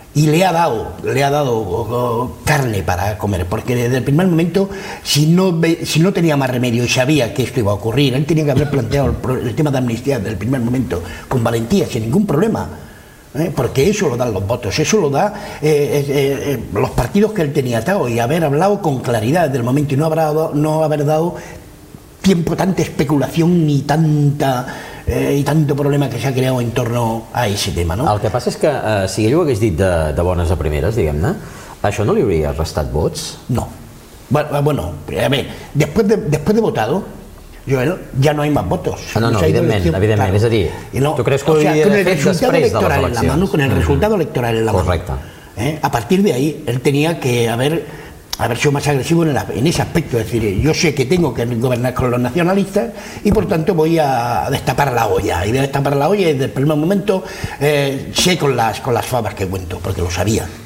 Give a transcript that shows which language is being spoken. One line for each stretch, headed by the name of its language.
Spanish: Y le ha dado carne para comer, porque desde el primer momento, si no tenía más remedio y sabía que esto iba a ocurrir, él tenía que haber planteado el tema de amnistía desde el primer momento, con valentía, sin ningún problema, porque eso lo dan los votos, eso lo da los partidos que él tenía atado, y haber hablado con claridad desde el momento y no haber dado tiempo tanta especulación ni tanta...
Catalan: i tant de problema que s'ha creat
Spanish: en torno a
Catalan: aquest tema, no? El que passa és que, si ell ho hagués dit de bones a primeres, diguem-ne, això no li hauria restat vots?
Spanish: No. Bueno, a ver, después de votado, Joel,
Catalan: ja no hi ha més votos. No, evidentment, és a dir, no, tu creus que ho hauria fet després de les eleccions?
Spanish: Mano, con el resultado electoral en la mano.
Catalan: Correcte.
Spanish: A partir de ahí, él tenía que haber sido más agresivo en ese aspecto. Es decir, yo sé que tengo que gobernar con los nacionalistas y por tanto voy a destapar la olla. Y voy a destapar la olla y desde el primer momento sé con las fabas que cuento, porque lo sabía.